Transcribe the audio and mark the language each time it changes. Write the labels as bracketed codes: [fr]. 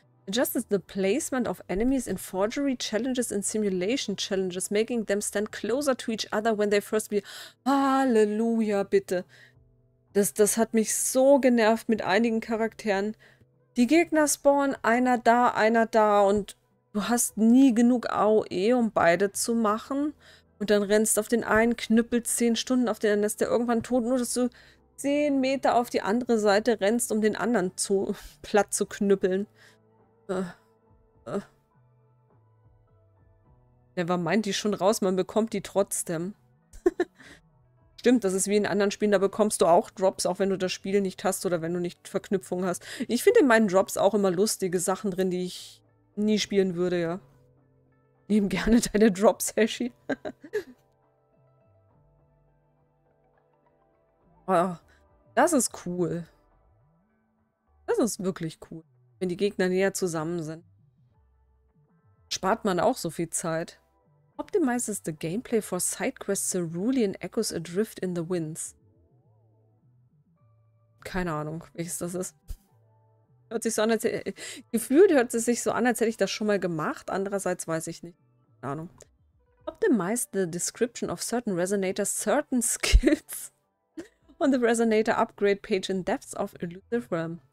[en] Adjusted the placement of enemies in Forgery Challenges and Simulation Challenges, making them stand closer to each other when they first be. [de] Halleluja, bitte. Das hat mich so genervt mit einigen Charakteren. Die Gegner spawnen, einer da und du hast nie genug AOE, um beide zu machen. Und dann rennst du auf den einen, knüppelst 10 Stunden auf den anderen, dann ist der irgendwann tot, nur dass du 10 Meter auf die andere Seite rennst, um den anderen zu platt zu knüppeln. [en] Never mind, [de] die schon raus, man bekommt die trotzdem. Stimmt, das ist wie in anderen Spielen, da bekommst du auch Drops, auch wenn du das Spiel nicht hast oder wenn du nicht Verknüpfungen hast. Ich finde in meinen Drops auch immer lustige Sachen drin, die ich nie spielen würde, ja. Nimm gerne deine Drops, Hashi. Oh, das ist cool. Das ist wirklich cool. Wenn die Gegner näher zusammen sind, spart man auch so viel Zeit. [en] Optimizes the gameplay for Sidequests Cerulean Echoes Adrift in the Winds. [de] Keine Ahnung, welches das ist. Hört sich so an, als gefühlt hört es sich so an, als hätte ich das schon mal gemacht. Andererseits weiß ich nicht. Ahnung. [en] Optimize the description of certain Resonators, certain skills on the Resonator Upgrade page in Depths of Elusive Realm.